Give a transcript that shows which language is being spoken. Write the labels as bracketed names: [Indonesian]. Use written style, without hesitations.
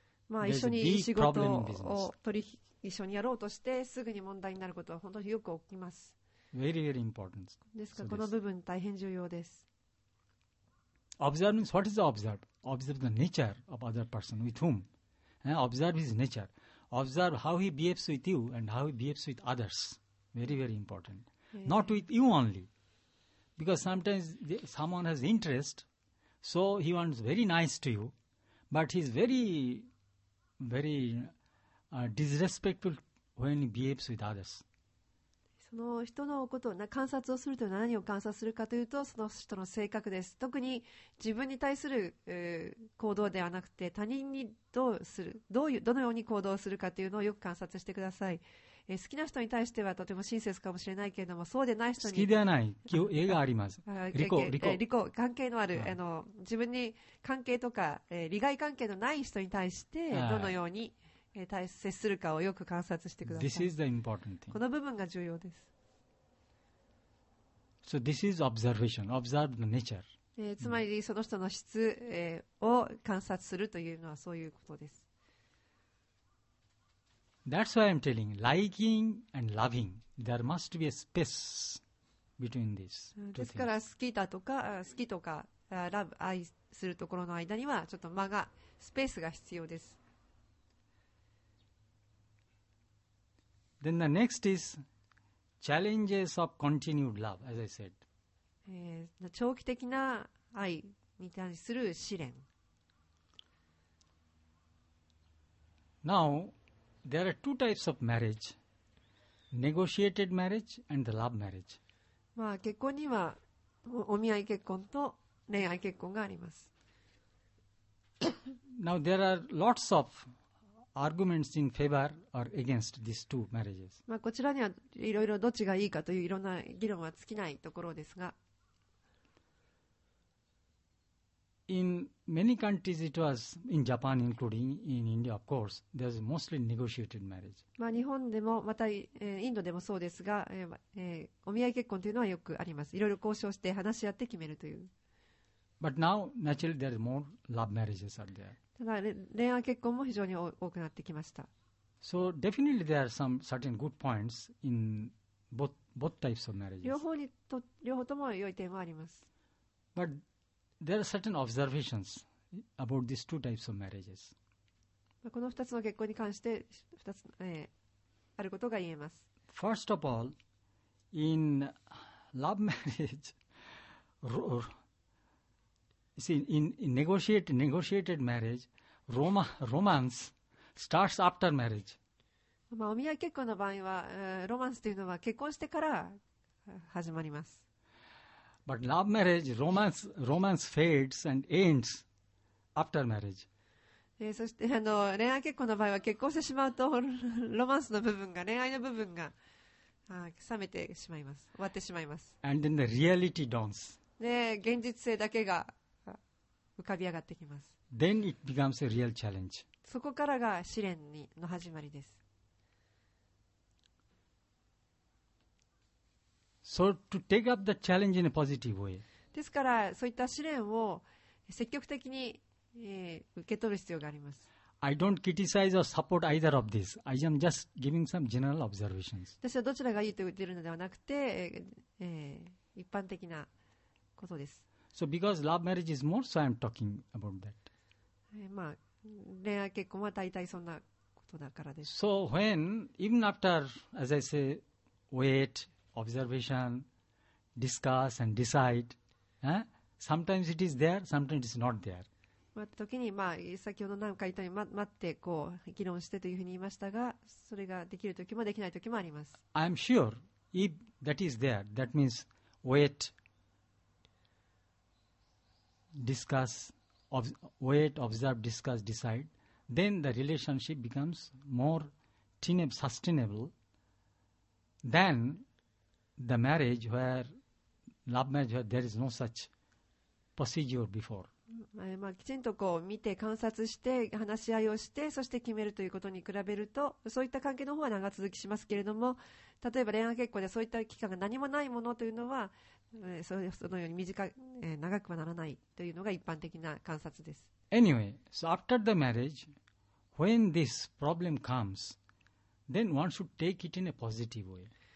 [English] there's a big problem in business. [Japanese] 一緒にやろうとしてすぐに問題になることは本当によく起きます。 [English] Very, very important. [Japanese] ですからこの部分大変重要です。 [English] Observe means what is the observe? Observe the nature of other person with whom. Observe his nature. Observe how he behaves with you and how he behaves with others. Very, very important. Not with you only. Because sometimes someone has interest, so he wants very nice to you, but he is very, very disrespectful when he behaves with others. [Japanese] その人のことを観察をすると何を観察するかというと、その人の性格です。特に自分に対する行動ではなくて、他人にどうする、どういう、どのように行動するかというのをよく観察してください。好きな人に対してはとても親切かもしれないけれども、そうでない人に好きではない絵があります。リコ関係のある、はい、自分に関係とか、利害関係のない人に対してどのように、はい、接するかをよく観察してください。 [English] This is the important thing. [Japanese] この部分が重要です。 [English] So this is observation. Observe the nature. [Japanese] つまりその人の質、を観察するというのはそういうことです。 [English] That's why I'm telling, liking and loving, there must be a space between these two things. [Japanese] ですから好きだとか、好きとか、ラブ、愛するところの間にはちょっと間が、スペースが必要です。 [English] Then the next is challenges of continued love, as I said. [Japanese] 長期的な愛に対する試練。 [English] Now,There are two types of marriage, negotiated marriage and the love marriage. [Japanese] まあ結婚にはお見合い結婚と恋愛結婚があります。 [English] Now there are lots of arguments in favor or against these two marriages. [Japanese] まあこちらにはいろいろどっちがいいかといういろんな議論は尽きないところですが。 [English] In many countries, it was in Japan, including in India, of course, there is mostly negotiated marriage. [Japanese] まあ日本でもまた、インドでもそうですが、お見合い結婚というのはよくあります。いろいろ交渉して話し合って決めるという。 [English] But now, naturally, there are more love marriages are there. [Japanese] ただ恋愛結婚も非常に多くなってきました。 [English] So definitely, there are some certain good points in both types of marriages. [Japanese] 両方とも良い点はあります。 [English] ButThere are certain observations about these two types of marriages. [Japanese] この2つの結婚に関して2つ、あることが言えます。 [English] First of all, in love marriage, negotiated marriage, romance starts after marriage. [Japanese] まあお見合い結婚の場合は、ロマンスというのは結婚してから始まります。 [English] But love marriage, romance fades and ends after marriage. [Japanese] そして恋愛結婚の場合は結婚してしまうとロマンスの部分が恋愛の部分が冷めてしまいます。終わってしまいます。 [English] And then the reality dawns. [Japanese] で現実性だけが浮かび上がってきます。 [English] Then it becomes a real challenge. [Japanese] そこからが試練の始まりです。 [English] So to take up the challenge in a positive way. [Japanese] ですからそういった試練を積極的に、受け取る必要があります。 [English] I don't criticize or support either of these. I am just giving some general observations. [Japanese] 私はどちらがいいと言っているのではなくて、一般的なことです。 [English] So because love marriage is more, so I am talking about that. [Japanese] まあ恋愛結婚は大体そんなことだからです。 [English] So when even after, as I say, wait. Observation, discuss and decide. Sometimes it is there, sometimes it is not there. [Japanese] まあ、時に、まあ、先ほど何回言ったように、ま、待ってこう議論してというふうに言いましたが、それができる時もできない時もあります。 [English] I am sure if that is there, that means wait, discuss, wait, observe, discuss, decide, then the relationship becomes more sustainable than the marriage where love marriage where there is no such procedure before。 [Japanese] まあ、きちんとこう見て観察して話し合いをしてそして決めるということに比べるとそういった関係の方は長続きしますけれども、例えば恋愛結婚でそういった期間が何もないものというのは、そのように短く、長くはならないというのが一般的な観察です。 [English] Anyway, so after the marriage, when this problem comes, then one should take it in a positive way。